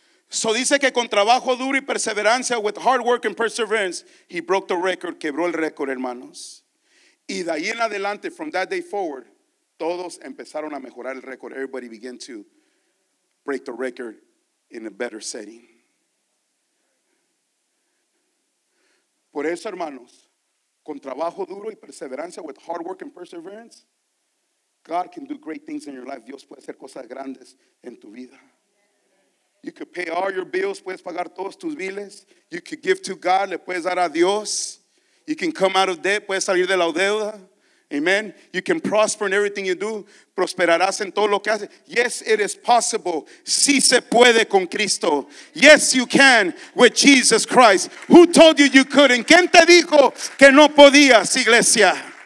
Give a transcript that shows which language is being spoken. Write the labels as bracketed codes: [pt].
[es] So dice que con trabajo duro y perseverancia, [en] with hard work and perseverance, he broke the record, [es] quebró el récord, hermanos. Y de ahí en adelante, [en] from that day forward, [es] todos empezaron a mejorar el récord. [en] Everybody began to break the record in a better setting. [es] Por eso, hermanos, con trabajo duro y perseverancia, [en] with hard work and perseverance, God can do great things in your life. [es] Dios puede hacer cosas grandes en tu vida. [en] You could pay all your bills. [es] Puedes pagar todos tus biles. [en] You could give to God. [es] Le puedes dar a Dios. [en] You can come out of debt. [es] Puedes salir de la deuda. [en] Amen. You can prosper in everything you do. [es] Prosperarás en todo lo que haces. [en] Yes, it is possible. [es] Sí se puede con Cristo. [en] Yes, you can with Jesus Christ. Who told you you couldn't? [es] ¿Quién te dijo que no podías, iglesia?